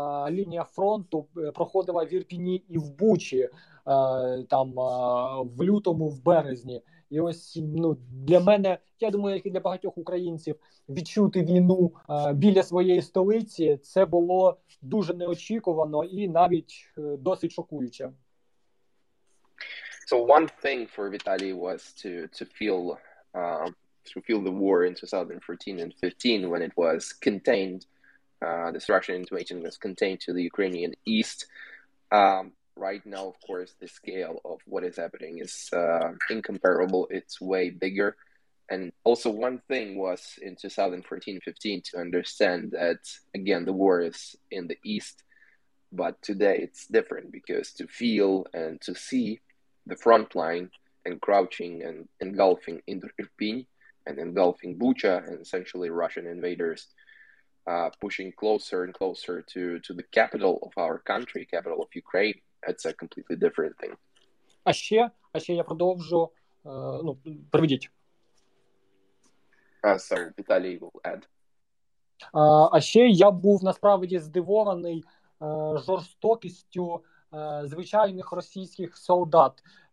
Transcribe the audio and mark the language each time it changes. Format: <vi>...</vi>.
<uk>лінія фронту проходила в Ірпіні і в Бучі, там в лютому, в березні. І ось, ну, для мене, я думаю, як і для багатьох українців, відчути війну біля своєї столиці, це було дуже неочікувано і навіть досить шокуюче.</uk> <en>So one thing for Vitalii was to feel the war in 2014 and 15 when it was contained, this Russian invasion was contained to the Ukrainian east. Right now, of course, the scale of what is happening is incomparable. It's way bigger. And also one thing was in 2014-15 to understand that, again, the war is in the east, but today it's different because to feel and to see the front line encroaching and engulfing Irpin and engulfing Bucha and essentially Russian invaders pushing closer and closer to the capital of our country, capital of Ukraine, it's a completely different thing.</en> <uk>А ще я продовжу, ну, приведіть.</uk> <en>Sorry, Vitalii will add.</en> <uk>А ще я був насправді здивований жорстокістю звичайних російських солдат.</uk>